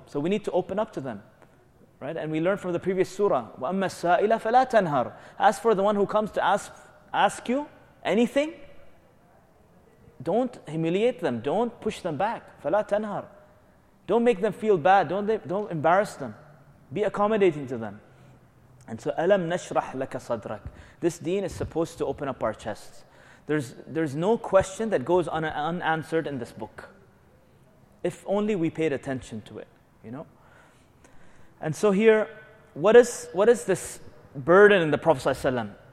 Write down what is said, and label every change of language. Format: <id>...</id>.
<en>So we need to open up to them, right? And we learned from the previous surah,</en> <ar>وَأَمَّا السَّائِلَ فَلَا تَنْهَرُ.</ar> <en>As for the one who comes to ask you anything, don't humiliate them. Don't push them back.</en> <ar>فَلَا تَنْهَر.</ar> <en>Don't make them feel bad. Don't embarrass them. Be accommodating to them. And so,</en> <ar>أَلَمْ نَشْرَحْ لَكَ صَدْرَك.</ar> <en>This deen is supposed to open up our chests. There's no question that goes unanswered in this book. If only we paid attention to it, you know? And so here, what is this burden in the Prophet ﷺ?</en>